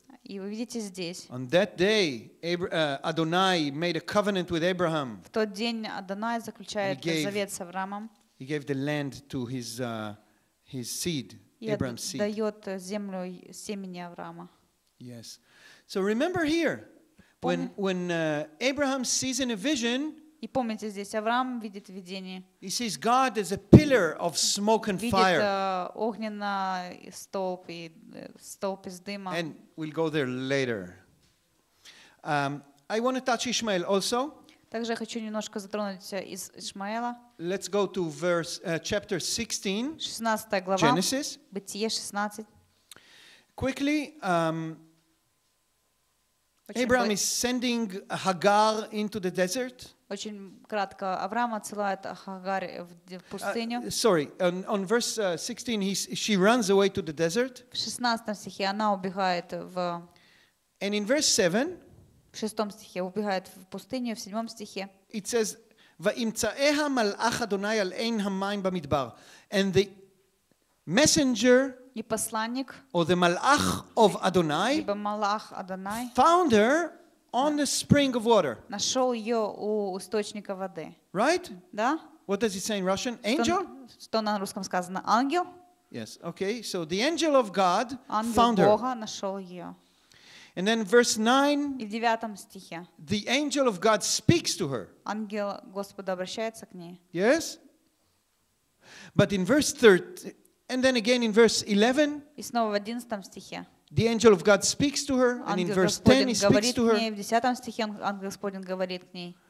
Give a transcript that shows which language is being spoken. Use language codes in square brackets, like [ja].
[ru] И вы видите здесь. [en] On that day, Adonai made a covenant with Abraham. [ru] В тот день Адонай заключает завет с Авраамом. [en] He gave the land to his seed, Abraham's seed. [ru] И дает землю семени Авраама. [en] Yes. So remember here, when Abraham sees in a vision, [ru] И помните здесь, Авраам видит видение. [en] He sees God as a pillar of smoke and fire. [ru] Видит огненный столб и столб из дыма. [en] And we'll go there later. I want to touch Ishmael also. [ru] Также хочу немножко затронуть из Ишмаэла. [en] Let's go to verse chapter 16. [ru] 16 глава. [en] Genesis. [ru] Бытие 16. [en] Quickly, Abraham is sending Hagar into the desert. [ru] Очень кратко. Авраам отсылает Хагар в пустыню. [en] Sorry, on verse 16, she runs away to the desert. [ru] В 16 стихе она убегает в. [en] And in verse 7. [ru] В 6 стихе убегает в пустыню. В 7 стихе. [en] It says, [he] "Va'imtzaeha malach Adonai al ein hamayim b'midbar," [en] and the messenger. [ru] И посланник. [en] Or the malach of Adonai. [ru] Либо малах Адонай. [en] Found her. On the spring of water. [ru] Нашел ее у источника воды. [en] Right? [ru] Да. [en] What does it say in Russian? Angel? [ru] Что на русском сказано? Ангел? [en] Yes. Okay. So the angel of God [ru] ангел [en] found [ru] Бога Ангел Бога нашел ее. [en] And then verse 9. [ru] И в 9 стихе. [en] The angel of God speaks to her. [ru] Ангел Господа обращается к ней. [en] Yes. But in verse 13, and then again in verse 11. [ru] И снова в 11 стихе. [en] The angel of God speaks to her, and in verse 10 he speaks to her. [ru] В 10 стихе ангел Господень говорит к ней.